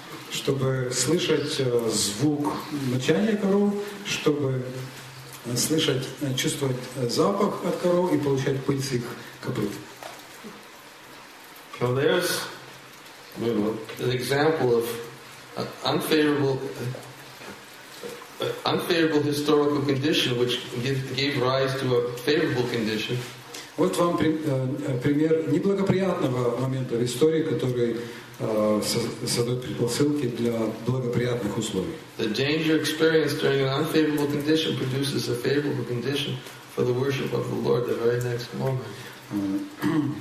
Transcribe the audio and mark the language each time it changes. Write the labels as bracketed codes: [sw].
[ru] Чтобы слышать звук мычания коров, чтобы слышать, чувствовать запах от коров и получать пыль с их копыт. [en] So there's an example of unfavorable historical condition which gave rise to a favorable condition. [ru] Вот вам пример неблагоприятного момента в истории, который создает предпосылки для благоприятных условий. [en] The danger experienced during an unfavorable condition produces a favorable condition for the worship of the Lord the very next moment.